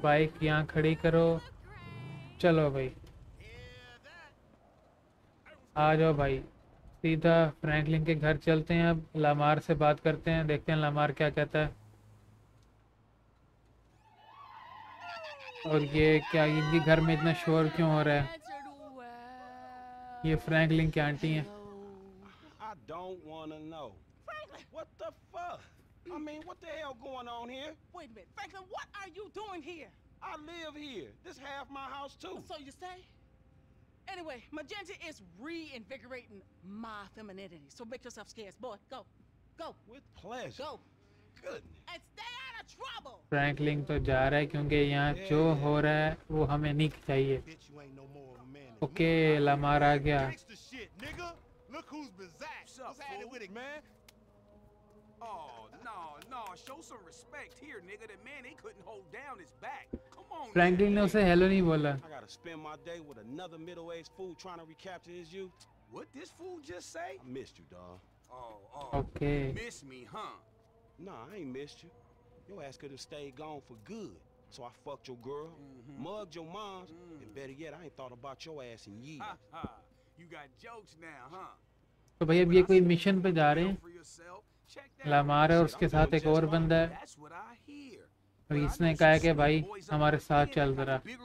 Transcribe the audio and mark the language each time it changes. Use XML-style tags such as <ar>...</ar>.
<hi>Bike यहाँ खड़ी करो। चलो भाई आ जाओ भाई, सीधा फ्रैंकलिन के घर चलते हैं। अब लामार से बात करते हैं, देखते हैं लामार क्या कहता है। और ये क्या, इनके घर में इतना शोर क्यों हो रहा है? ये फ्रैंकलिन की आंटी है।</hi> <en>I don't wanna know. Franklin, what the fuck? I mean, what the hell going on here? Wait a minute, Franklin, what are you doing here? I live here. This half my house too. So you say? Anyway, Magenta is reinvigorating my femininity. So make yourself scarce, boy. Go, go. With pleasure. Go. Good. And stay out of trouble.</en> <hi>Franklin तो जा रहा है क्योंकि यहाँ जो हो रहा है वो हमें नहीं चाहिए। Okay, Lamar आ गया।</hi> <en>Look who's bizarre. What's happening with it, man? Oh, no, no. Show some respect here, nigga. That man, he couldn't hold down his back. Come on.</en> <hi>Franklin ne use hello nahi bola.</hi> <en>I got to spend my day with another middle-aged fool trying to recapture his youth. What this fool just say? I missed you, dog. Oh. Okay. You miss me, huh? Nah, I ain't missed you. Your ass could have stayed gone for good. So I fucked your girl, mm-hmm. mugged your moms, mm-hmm. and better yet, I ain't thought about your ass in years. You got jokes now, huh?</en> <hi>तो भाई अब ये कोई mission पे जा रहे हैं। Lamar है और उसके साथ एक और बंदा है। और इसने कहा है कि भाई हमारे साथ चल जरा।</hi>